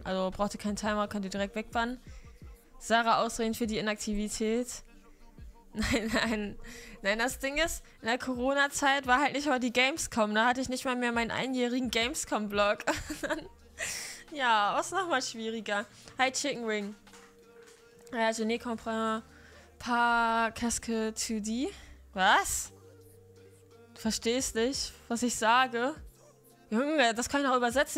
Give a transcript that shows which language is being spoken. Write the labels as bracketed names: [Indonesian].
[German] Also braucht ihr keinen Timer, könnt ihr direkt wegbannen. Sarah, ausreden für die Inaktivität. Nein, das Ding ist, in der Corona-Zeit war halt nicht mal die Gamescom. Da hatte ich nicht mal mehr meinen einjährigen Gamescom-Blog. Ja, was nochmal schwieriger. Hi, Chicken Wing. [French] Je ne comprends pas qu'est-ce que tu dis. [German] Was? Du verstehst nicht, was ich sage? Junge, das kann ich auch übersetzen.